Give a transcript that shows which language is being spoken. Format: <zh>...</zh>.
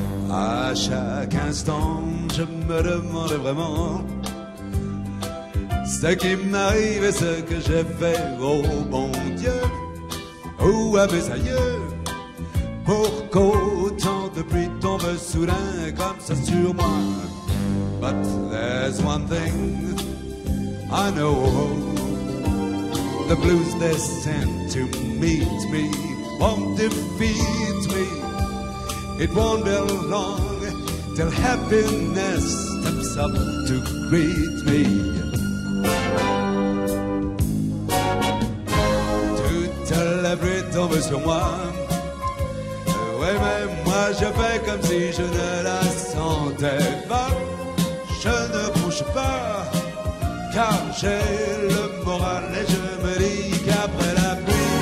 <fr>À chaque instant je me demande vraiment ce qui m'arrive et ce que j'ai fait, oh bon Dieu, ou à mes aïeux, pour qu'autant de pluie tombe soudain comme ça sur moi.</fr> <en>But there's one thing I know, the blues they sent to meet me won't defeat me. It won't be long till happiness steps up to greet me.</en> <fr>Toute la pluie tombe sur moi. Oui, mais moi je fais comme si je ne la sentais pas. Je ne bouge pas, car j'ai le moral et je me dis qu'après la pluie.</fr>